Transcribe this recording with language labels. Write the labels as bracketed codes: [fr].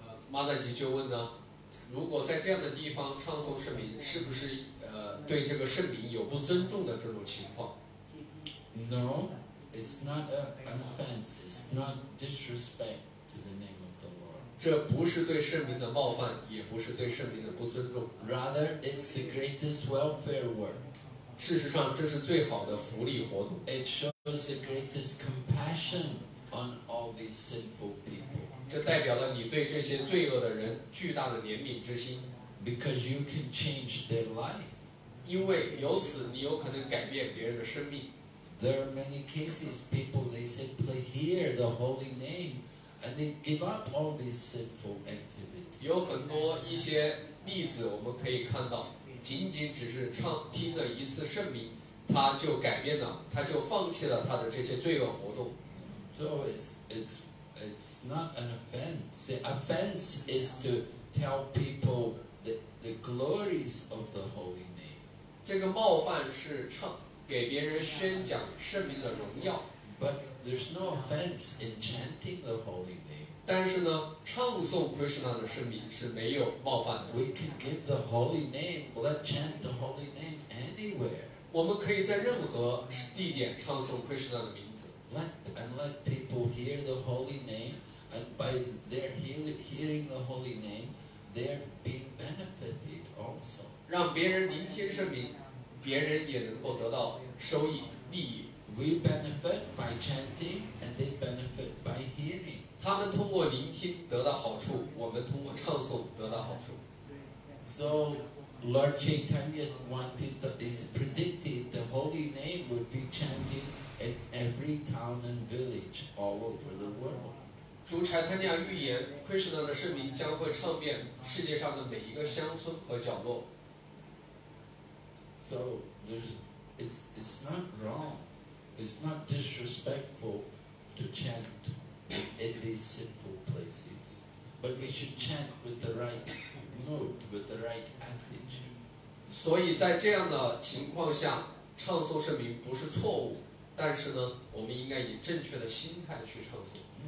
[zh] 妈达吉就问呢，如果在这样的地方唱诵圣名，是不是对这个圣名有不尊重的这种情况 [en] ？No, it's not an offense. It's not disrespect to the name of the Lord. [zh] 这不是对圣名的冒犯，也不是对圣名的不尊重。 [en] Rather, it's the greatest welfare work. [zh] 事实上，这是最好的福利活动。 [en] It shows the greatest compassion on all these sinful people. [zh] 这代表了你对这些罪恶的人巨大的怜悯之心 [en] ，because you can change their life， [zh] 因为由此你有可能改变别人的生命。 [en] There are many cases people they simply hear the holy name and they give up all these sinful activities。 [zh] 有很多一些例子我们可以看到，仅仅只是唱听了一次圣名，他就改变了，他就放弃了他的这些罪恶活动。 [en] So it's not an offense. The offense is to tell people the glories of the holy name. [zh] 这个冒犯是唱给别人宣讲圣名的荣耀。 [en] But there's no offense in chanting the holy name. [zh] 但是呢，唱诵 Krishna 的圣名是没有冒犯的。 [en] We can give the holy name, let chant the holy name anywhere. [zh] 我们可以在任何地点唱诵 Krishna 的名字。 [en] Let people hear the holy name, and by their hearing the holy name, they're being benefited also. [zh] 让别人聆听圣名，别人也能够得到收益利益。 [en] We benefit by chanting, and they benefit by hearing. [zh] 他们通过聆听得到好处，我们通过唱诵得到好处。 [en] So Lord Chaitanya is predicted the holy name would be chanted in every town and village all over the world. [zh] 主柴坦尼亚预言 Krishna 的圣名将会唱遍世界上的每一个乡村和角落。 [en] So it's not wrong, it's not disrespectful to chantIn these sinful places, but we should chant with the right mood, with the right attitude. [zh] 所以在这样的情况下，唱诵圣名不是错误，但是呢，我们应该以正确的心态去唱诵。